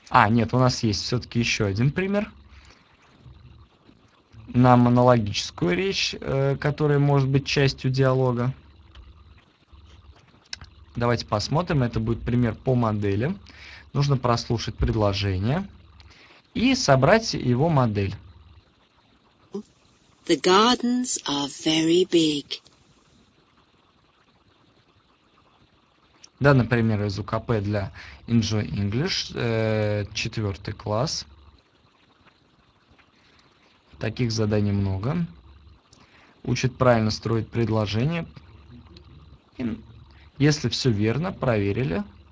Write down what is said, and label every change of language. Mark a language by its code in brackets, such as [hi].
[ru] Нет, у нас есть все-таки еще один пример на монологическую речь, которая может быть частью диалога. Давайте посмотрим. Это будет пример по модели. Нужно прослушать предложение и собрать его модель. [en] The gardens are very big. [ru] Да, например, из УКП для Enjoy English, 4 класс. Таких заданий много. Учит правильно строить предложение. И если все верно, проверили.